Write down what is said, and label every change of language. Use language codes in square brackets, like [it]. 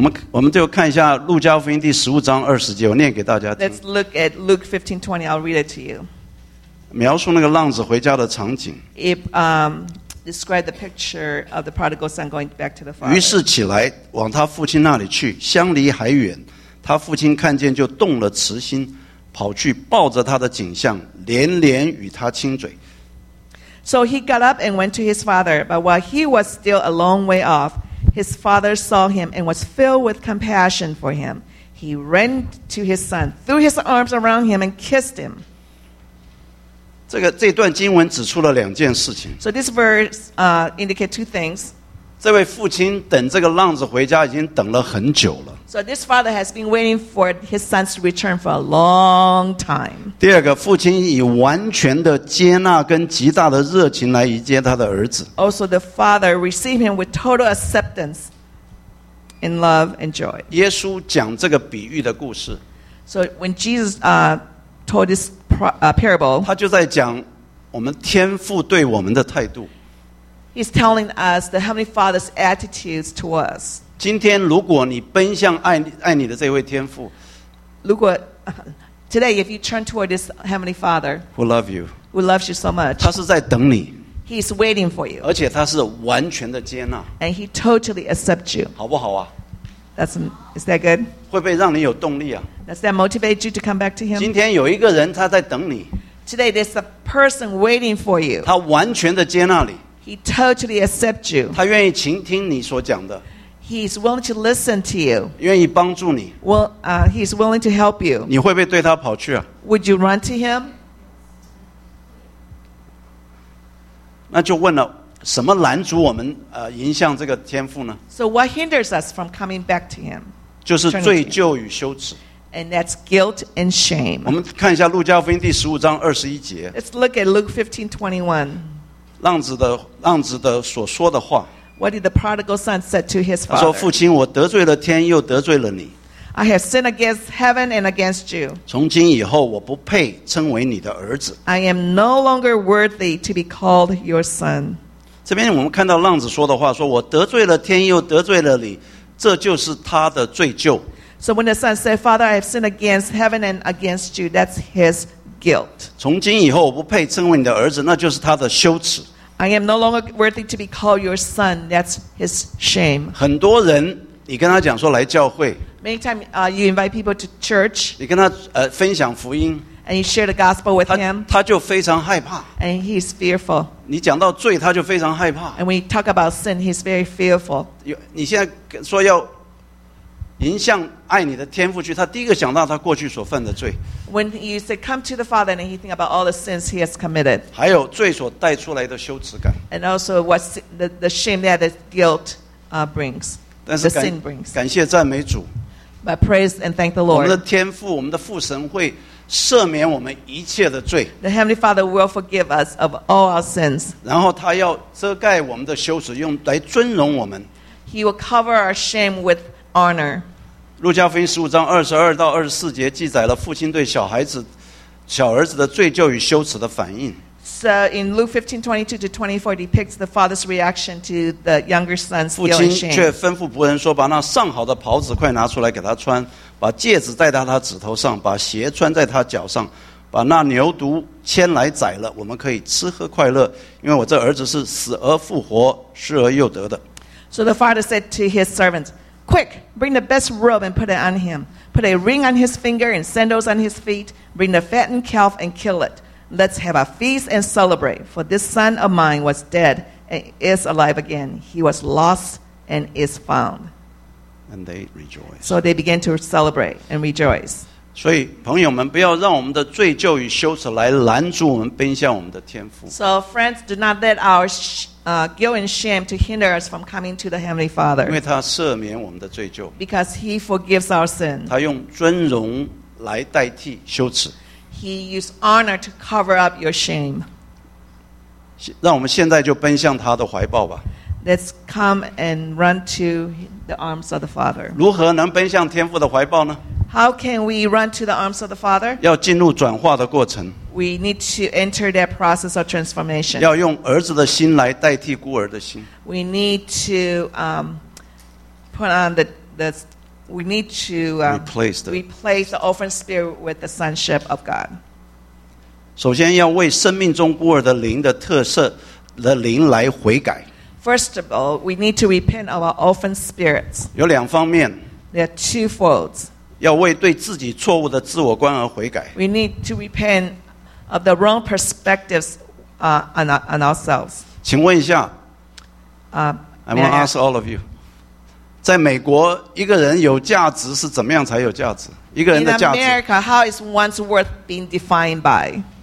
[zh] 我们就看一下路加福音第十五章二十节，我念给大家听。 [en] Let's look at Luke 15:20. I'll read it to you. [zh] 描述那个浪子回家的场景。 [en] It describes the picture of the prodigal son going back to the father. [zh] 于是起来往他父亲那里去，相离还远，他父亲看见就动了慈心，跑去抱着他的颈项，连连与他亲嘴。 [en] So he got up and went to his father, but while he was still a long way off, his father saw him and was filled with compassion for him. He ran to his son, threw his arms around him, and kissed him. [zh] 这段经文指出了两件事情。 [en] So this verse indicates two things. [zh] 这位父亲等这个浪子回家已经等了很久了。 [en] So this father has been waiting for his son's return for a long time. [zh] 第二个，父亲以完全的接纳跟极大的热情来迎接他的儿子。 [en] Also, the father received him with total acceptance in love and joy. [zh] 耶稣讲这个比喻的故事。 [en] So when Jesus told this parable, [zh] 他就在讲我们天父对我们的态度。 [en] He's telling us the Heavenly Father's attitudes to us. [zh] 今天如果你奔向爱你的这位天父，如果 [en] today if you turn toward this heavenly father who love you who loves you so much [zh] 他是在等你， [en] he is waiting for you， [zh] 而且他是完全的接纳， [en] and he totally accepts you， [zh] 好不好啊？ [en] That's, is that good？ [zh] 会不会让你有动力啊？ [en] Does that motivate you to come back to him？ [zh] 今天有一个人他在等你， [en] today there's a person waiting for you， [zh] 他完全的接纳你， [en] he He totally accepts you. [zh] 他愿意倾听你所讲的。 [en] He's willing to listen to you. [zh] 愿意帮助你。 [en] Well, he's willing to help you. [zh] 你会不会对他跑去啊？ [en] Would you run to him? [zh] 那就问了，什么拦阻我们迎向这个天父呢？ [en] So what hinders us from coming back to him? [zh] 就是罪疚与羞耻。 [en] And that's guilt and shame. [zh] 我们看一下路加福音第十五章二十一节。 [en] Let's look at Luke 15:21. [zh] 浪子的所说的话。 [en] What did the prodigal son said to his father? [zh] 他说：“父亲，我得罪了天，又得罪了你。 [en] I have sinned against heaven and against you. [zh] 从今以后，我不配称为你的儿子。 [en] I am no longer worthy to be called your son. [zh] 这边我们看到浪子说的话：说我得罪了天，又得罪了你，这就是他的罪疚。 [en] So when the son said, Father, I have sinned against heaven and against you, that's his guilt. [zh] 从今以后我不配称为你的儿子，那就是他的羞耻。 [en] I am no longer worthy to be called your son, that's his shame. [zh] 很多人，你跟他讲说来教会。 [en] Many times, you invite people to church. [zh] 你跟他分享福音。 [en] And you share the gospel with him. [zh] 他就非常害怕。 [en] And he's fearful. [zh] 你讲到罪，他就非常害怕。 [en] And when you talk about sin, he's very fearful. [zh] 你现在说要迎向爱你的天父去，他第一个想到他过去所犯的罪。 [en] When you say come to the Father, and he think about all the sins he has committed. [zh] 还有罪所带出来的羞耻感。 [en] And also what the shame that the guilt brings, the sin brings. [zh] 感谢赞美主。 [en] But praise and thank the Lord. [zh] 我们的天父，我们的父神会赦免我们一切的罪。 [en] The Heavenly Father will forgive us of all our sins. [zh] 然后他要遮盖我们的羞耻，用来尊荣我们。 [en] He will cover our shame with honor. [zh] 路加福音十五章二十二到二十四节记载了父亲对小孩子、小儿子的罪疚与羞耻的反应。 [en] So in Luke 15:22-24 depicts the father's reaction to the younger son's guilt and shame. [zh] 父亲却吩咐仆人说：“把那上好的袍子快拿出来给他穿，把戒指戴在他指头上，把鞋穿在他脚上，把那牛犊牵来宰了，我们可以吃喝快乐，因为我这儿子是死而复活、失而又得的。” [en] So the father said to his servants. Quick, bring the best robe and put it on him. Put a ring on his finger and sandals on his feet. Bring the fattened calf and kill it. Let's have a feast and celebrate. For this son of mine was dead and is alive again. He was lost and is found. And they rejoice. So they began to celebrate and rejoice. [zh] 所以朋友们，不要让我们的罪疚与羞耻来拦阻我们奔向我们的天父。 [en] So friends, do not let our guilt and shame to hinder us from coming to the Heavenly Father. [zh] 因为他赦免我们的罪疚。 [en] Because he forgives our sin. [zh] 他用尊荣来代替羞耻。 [en] He used honor to cover up your shame. [zh] 让我们现在就奔向他的怀抱吧。 [en] Let's come and run to the arms of the Father. [zh] 如何能奔向天父的怀抱呢？ [en] How can we run to the arms of the Father? [zh] 要进入转化的过程。 [en] We need to enter that process of transformation. [zh] 要用儿子的心来代替孤儿的心。 [en] We need to put on replace the orphan spirit with the sonship of God. [zh] 首先要为生命中孤儿的灵的特色的灵来悔改。 [en] First of all, we need to repent of our orphan spirits. [zh] 有两方面。 [en] There are two folds. [zh] 要为对自己错误的自我观而悔改。 [en] We need to repent of the wrong perspectives on ourselves. [zh] 请问一下 [en] I want to ask all of you. [zh] 在美国，一个人有价值是怎么样才有价值？一个人的价值。 [en] In America, how is one's worth being defined by?